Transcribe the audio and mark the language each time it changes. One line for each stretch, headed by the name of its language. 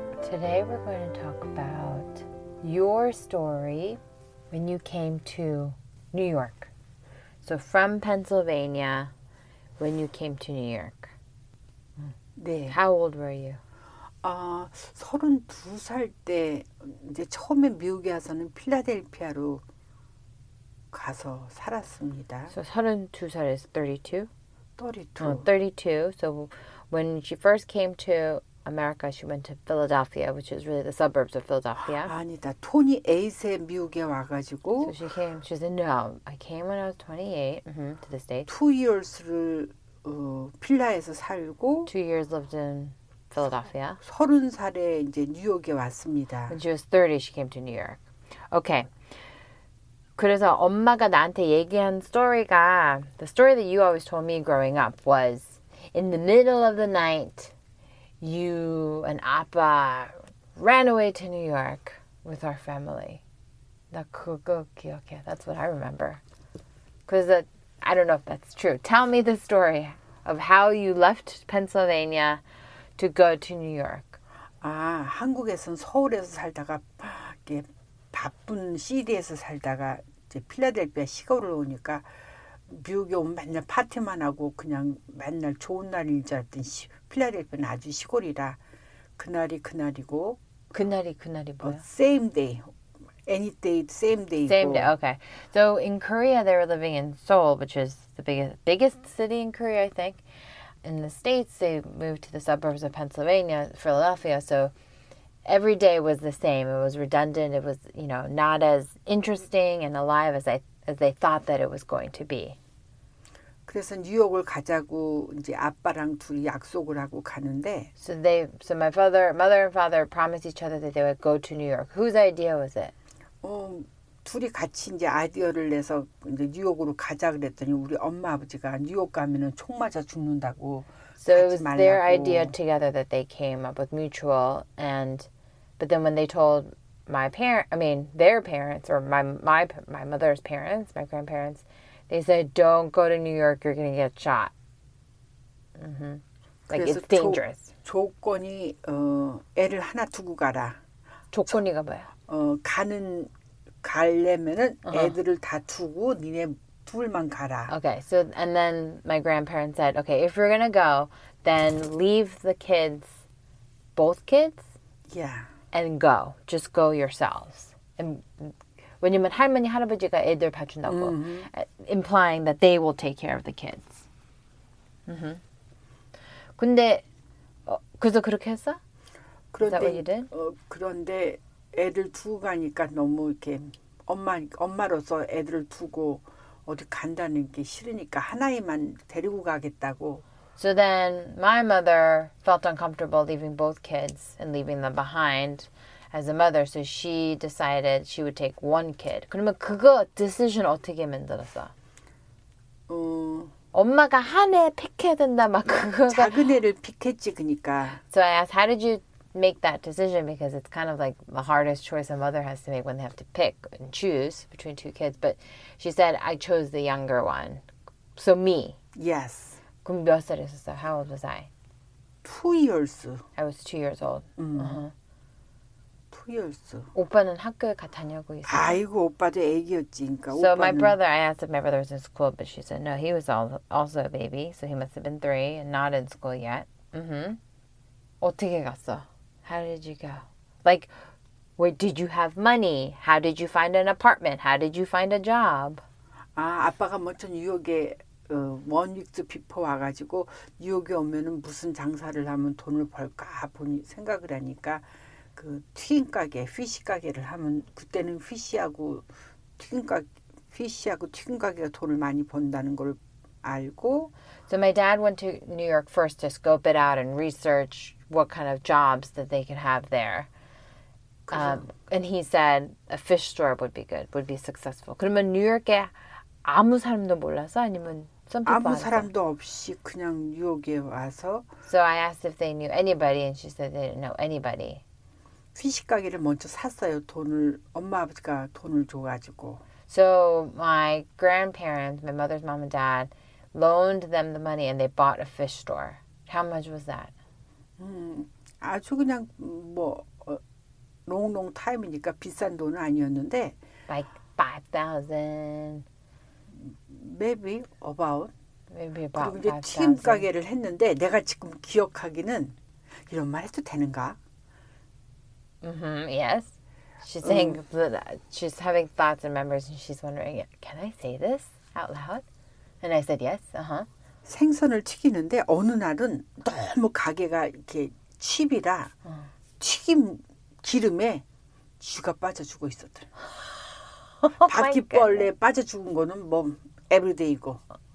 English: Today we're going to talk about your story when you came to New York. So from Pennsylvania, when you came to New York.
Korean: 네.
English: How old were you?
Korean: 32살 때 이제 처음에 미국에 와서는 필라델피아로 가서 살았습니다.
English: So 32살 is 32? 32. 32. So when she first came to America, she went to Philadelphia, which is really the suburbs of Philadelphia.
Korean: 아니다. 28에 미국에 와가지고.
English: So she came, she said, no, I came when I was 28 to the States. 2 years
Korean: 를 필라에서 살고.
English: 2 years lived in Philadelphia.
Korean: 30살에 이제 뉴욕에 왔습니다.
English: When she was 30, she came to New York. Okay.
Korean: 그래서 엄마가 나한테 얘기한 스토리가,
English: the story that you always told me growing up was, in the middle of the night, you and 아빠 ran away to New York with our family.
Korean: 나 그거 기억해.
English: That's what I remember. 'Cause I don't know if that's true. Tell me the story of how you left Pennsylvania to go to New York.
Korean: 아, 한국에선 서울에서 살다가 이렇게 바쁜 시디에서 살다가 이제 필라델피아 시골을 오니까 미국에 오면 맨날 파티만 하고 그냥 맨날 좋은 날인 줄 알았던 필라델피아는 아주 시골이라 그날이 그날이고 그날이 그날이 뭐야?
English: Same day. Any day, same day. Same day, okay. So in Korea, they were living in Seoul, which is the biggest city in Korea, I think. In the States, they moved to the suburbs of Pennsylvania, Philadelphia, so every day was the same. It was redundant. It was, you know, not as interesting and alive as they thought that it was going to be.
Korean: 그래서 뉴욕을 가자고 이제 아빠랑 둘이 약속을 하고 가는데.
English: So my father, mother and father promised each other that they would go to New York. Whose idea was it?
Korean: 둘이 같이 이제 아이디어를 내서 이제 뉴욕으로 가자 그랬더니 우리 엄마 아버지가 뉴욕 가면은 총 맞아 죽는다고.
English: So it was their idea together that they came up with mutual, but then when they told my mother's parents, my grandparents, they said, don't go to New York, you're going to get shot. Mm-hmm. Like, it's dangerous.
Korean: 조건이 애를 하나 두고 가라. 조건이가 뭐야? 가는 가려면은 애들을 다 두고 니네 둘만 가라.
English: Okay. So and then my grandparents said, okay, if you're gonna go, then leave the kids, both kids. Yeah. And go. Just go yourselves. And
Korean: 왜냐면 할머니 할아버지가 애들 봐준다고,
English: mm-hmm. implying that they will take care of the kids.
Korean: 근데 그래서 그렇게 했어?
English: 그런데, Is that what you did?
Korean: 그런데 애들 두고 가니까 너무 이렇게 엄마로서 애들을 두고 어디 간다는 게 싫으니까 하나이만 데리고 가겠다고.
English: So then my mother felt uncomfortable leaving both kids and leaving them behind as a mother. So she decided she would take one kid.
Korean: 그러면 그거 decision 어떻게 만들었어? 엄마가 한 애 픽해야 된다 막 그거가 작은 애를 픽했지 그니까.
English: So I asked, how did you make that decision? Because it's kind of like the hardest choice a mother has to make when they have to pick and choose between two kids. But she said, I chose the younger one. So me. Yes.
Korean: 그럼 몇 살이었어?
English: How old was I? 2 years. I was 2 years old. 2 years.
Korean: 오빠는 학교에 가 다녀고 있어. 아이고 오빠도 아기였지, 그러니까.
English: So my brother, I asked if my brother was in school, but she said no. He was also a baby, so he must have been 3 and not in school yet.
Korean: 어떻게 갔어?
English: How did you go? Like, where did you have money? How did you find an apartment? How did you find a job?
Korean: 아, 아빠가 먼저 뉴욕에
English: one week before
Korean: 와가지고 뉴욕에 오면은 무슨 장사를 하면 돈을 벌까 보니 생각을 하니까. 그 튀김 가게, 피쉬 가게를 하면 그때는 피쉬하고 튀김 가게가 돈을 많이 번다는 걸 알고.
English: So my dad went to New York first to scope it out and research what kind of jobs that they could have there. And he said a fish store would be good, would be successful.
Korean: 그러면 뉴욕에 아무 사람도 몰라서 아니면 아무 사람도 없이 그냥 뉴욕에 와서.
English: So I asked if they knew anybody, and she said they didn't know anybody.
Korean: 피식 가게를 먼저 샀어요. 돈을 엄마 아버지가 돈을 줘 가지고.
English: So my grandparents, my mother's mom and dad loaned them the money and they bought a fish store. How much was that?
Korean: 아주 그냥 뭐 롱롱 타임이니까 비싼 돈은 아니었는데
English: like 5,000 maybe about
Korean: 그리고 이제 튀김 가게를 했는데 내가 지금 기억하기는 이런 말 해도 되는가?
English: Yes. She's saying she's having thoughts and memories and she's wondering, can I say this out loud? And I said yes.
Korean: 생선을 튀기는데 어느 날은 너무 가게가 이렇게 칩이라 튀김 기름에 쥐가 빠져 죽어 있었더라. 바퀴벌레 빠져 죽은 거는 뭐 에브리데이고.